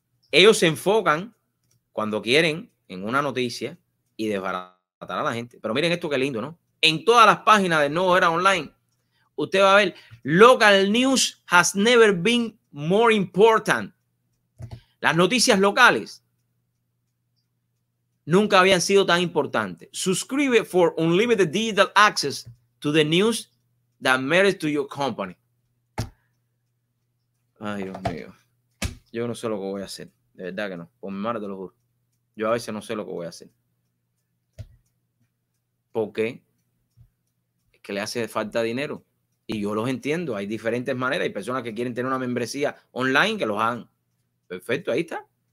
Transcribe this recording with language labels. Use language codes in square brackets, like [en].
[es] Ellos se enfocan cuando quieren en una noticia y desbaratar a la gente. Pero miren esto qué lindo, ¿no? En todas las páginas de Nuevo Era Online, usted va a ver, [en] local news has never been more important. [es] Las noticias locales nunca habían sido tan importantes. [en] Subscribe for unlimited digital access to the news that matters to your company. [es] Ay, Dios mío. Yo no sé lo que voy a hacer. De verdad que no. Por mi madre te lo juro. Yo a veces no sé lo que voy a hacer. Porque es que le hace falta dinero. Y yo los entiendo. Hay diferentes maneras. Hay personas que quieren tener una membresía online que los hagan. Perfecto, ahí está.